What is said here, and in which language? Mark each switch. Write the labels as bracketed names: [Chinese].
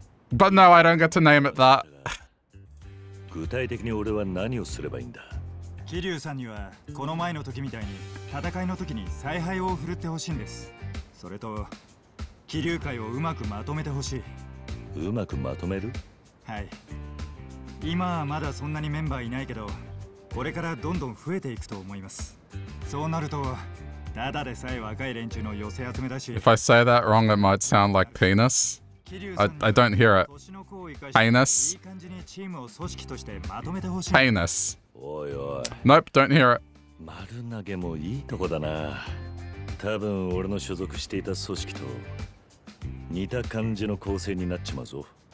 [English] But no, I don't get to name it that. [Japanese] 具体的に俺は何をすればいいんだ。桐生さんにはこの前の時みたいに戦いの時に采配を振るってほしいんです。それと桐生会をうまくまとめてほしい。うまくまとめる？はい。今はまだそんなにメンバーいないけど、これからどんどん増えていくと思います。そうなると、ただでさえ若い連中の寄せ集めだし。 [English] If I say that wrong, it might sound like penis. I don't hear it. Penis. [Japanese] いい感じにチームを組織としてまとめてほしい。 [English] Penis. [Japanese] おいおい。 [English] Nope, don't hear it. [Japanese] 丸投げもいいとこだな。多分俺の所属していた組織と似た感じの構成になっちまうぞ。